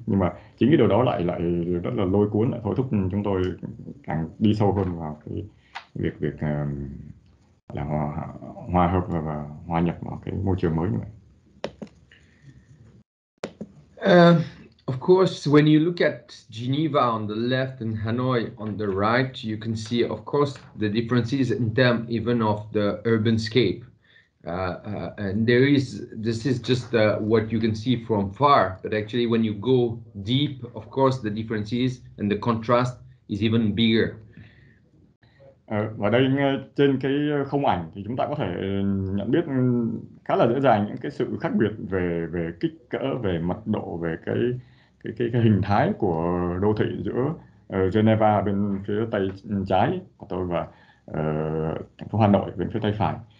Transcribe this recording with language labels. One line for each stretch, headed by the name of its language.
Vietnamese: Nhưng mà chính cái điều đó lại rất là lôi cuốn, lại thôi thúc chúng tôi càng đi sâu hơn vào cái việc là hòa hợp và hòa nhập vào cái môi trường mới như vậy.
English: Of course, when you look at Geneva on the left and Hanoi on the right, you can see, of course, the differences in terms even of the urban scape. And this is just what you can see from far. But actually, when you go deep, of course, the differences and the contrast is even bigger.
Vietnamese: Và đây trên cái không ảnh thì chúng ta có thể nhận biết khá là dễ dàng những cái sự khác biệt về kích cỡ, về mật độ, về cái hình thái của đô thị giữa Geneva bên phía tay trái của tôi và thành phố Hà Nội bên phía tay phải.